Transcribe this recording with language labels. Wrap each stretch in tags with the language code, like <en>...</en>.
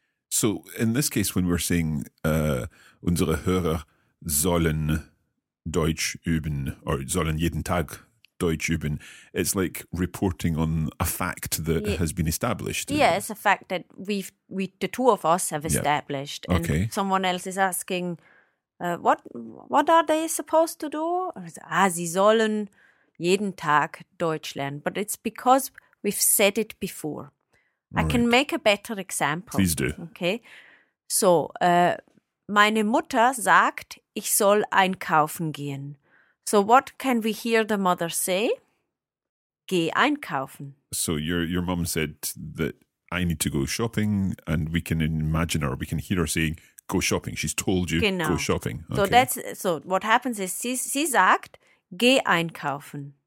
<en>So in this case, when we're saying</en> <de>unsere Hörer sollen Deutsch üben</de> <en>or</en> <de>sollen jeden Tag Deutsch üben.</de> <en>It's like reporting on a fact that has been established. Yeah, it's a fact that we the two of us have established. Yeah. Okay. And someone else is asking, what are they supposed to do?</en> <de>Sie sollen jeden Tag Deutsch lernen.</de> <en>But it's because we've said it before. Right. I can make a better example. Please do. Okay.</en> <de>So, meine Mutter sagt, ich soll einkaufen gehen.</de> <en>So what can we hear the mother say?</en> <de>Geh einkaufen.</de> <en>So your mom said that I need to go shopping, and we can imagine, or we can hear her saying, go shopping. She's told you,</en> <de>genau,</de> <en>go shopping. Okay. So what happens is</en> <de>sie sagt, geh einkaufen.</de>